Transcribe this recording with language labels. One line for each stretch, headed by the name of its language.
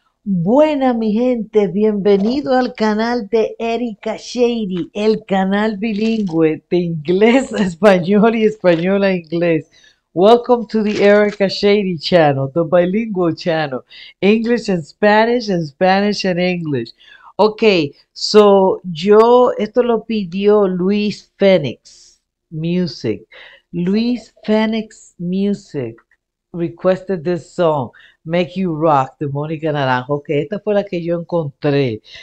Spanish: Buena mi gente, bienvenido al canal de Erika Shady, el canal bilingüe de inglés a español y español a inglés.
English: Welcome to the Erika Shady channel, the bilingual channel, English and Spanish and English. Ok, so
Spanish: yo, esto lo pidió Luis Fenix Music. Luis Fenix Music.
English: Requested this song,
Spanish: Make You Rock, de Mónica Naranjo, que esta fue la que yo encontré.